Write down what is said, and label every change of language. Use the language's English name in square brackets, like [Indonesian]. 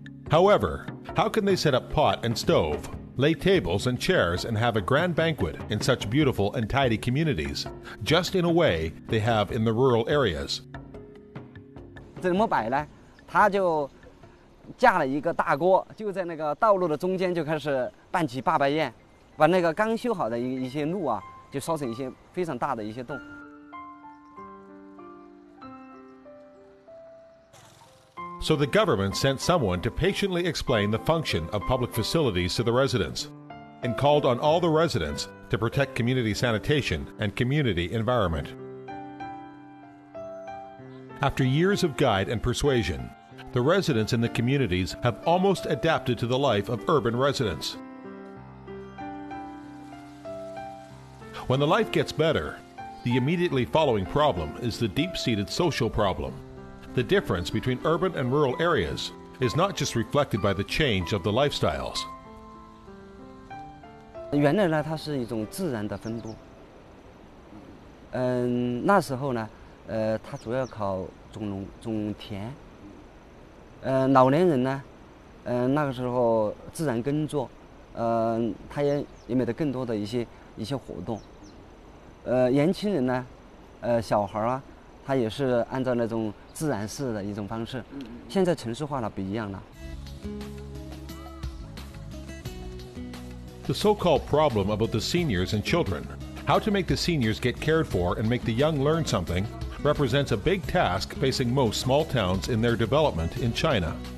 [English] However, how can they set up pot and stove, lay tables and chairs and have a grand banquet in such beautiful and tidy communities, just in a way they have in the rural areas? [Chinese] 怎么摆呢？他就架了一个大锅，就在那个道路的中间就开始办起爸爸宴，把那个刚修好的一些路啊，就烧成一些非常大的一些洞。 [English] So the government sent someone to patiently explain the function of public facilities to the residents, and called on all the residents to protect community sanitation and community environment. After years of guide and persuasion, the residents in the communities have almost adapted to the life of urban residents. When the life gets better, the immediately following problem is the deep-seated social problem. The difference between urban and rural areas is not just reflected by the change of the lifestyles. [Chinese] 原来呢，它是一种自然的分布。那时候呢，它主要靠种农种田，老年人呢，那个时候自然耕作，他也没得更多的一些活动，年轻人呢，小孩啊，他也是按照那种自然式的一种方式，现在城市化了不一样了。 [English] The so-called problem about the seniors and children, how to make the seniors get cared for and make the young learn something. Represents a big task facing most small towns in their development in China.